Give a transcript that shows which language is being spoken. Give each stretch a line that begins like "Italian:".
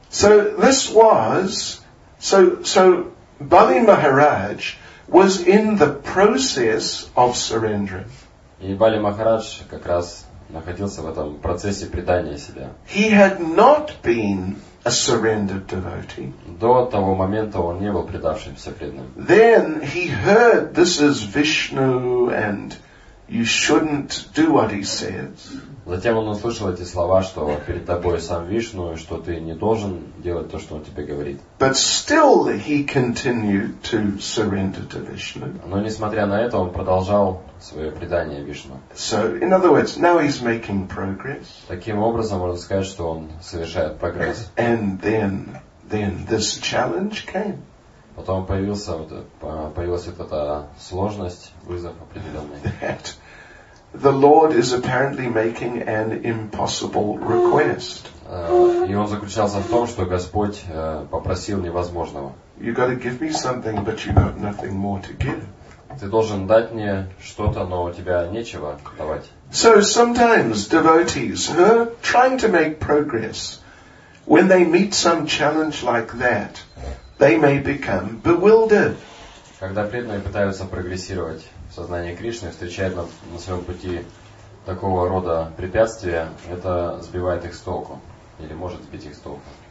English: So Bali Maharaj was in the process of surrendering.
Russian: И Бали Махарадж как раз находился в этом процессе предания себя.
English: He had not been a surrendered devotee.
Russian: До того момента он не был предавшимся преданным.
English: Then he heard this is Vishnu and you shouldn't do what he says.
Russian: Затем он услышал эти слова, что перед тобой сам Вишну, и что ты не должен делать то, что он тебе говорит.
English: But still he continued to surrender to Vishnu.
Russian: Но несмотря на это, он продолжал свое предание Вишну.
English: So, in other words, now he's making progress.
Russian: Таким образом, можно сказать, что он совершает прогресс.
English: And then this challenge came.
Russian: Потом появилась вот эта сложность, вызов определенный.
English: That the Lord is apparently making an impossible request.
Russian: И он заключался в том, что Господь попросил невозможного.
English: You got to give me something, but you got nothing more to give.
Russian: Ты должен дать мне что-то, но у тебя нечего давать.
English: So sometimes devotees who are trying to make progress, when they meet some challenge like that, they may become bewildered.
Russian: Когда преданные пытаются прогрессировать в сознании Кришны, встречают на своем пути такого рода препятствия, это сбивает их с толку. Или может сбить их с толку.